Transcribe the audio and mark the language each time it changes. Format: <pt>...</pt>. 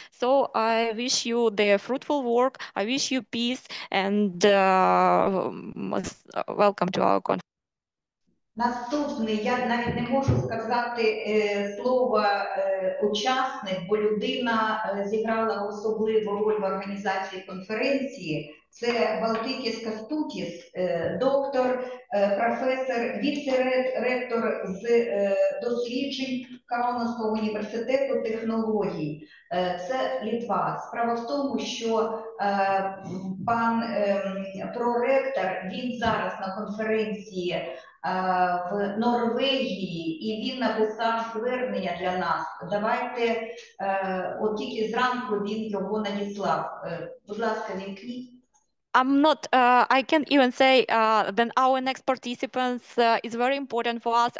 <en>So I wish you the fruitful work. I wish you peace and welcome to our conference.</en> <uk>Наступний, я навіть не можу сказати слово учасник, бо людина зіграла особливу роль в організації конференції. Це Baltakys Kęstutis, доктор, професор, віце-ректор з досліджень Каунаського університету технологій. Це Литва. Справа в тому, що пан проректор, він зараз на конференції в Норвегії, і він написав звернення для нас. Давайте, от тільки зранку він його надіслав. Будь ласка, він кліп.</uk> <en>I'm not, I can't even say that our next participants is very important for us.</en>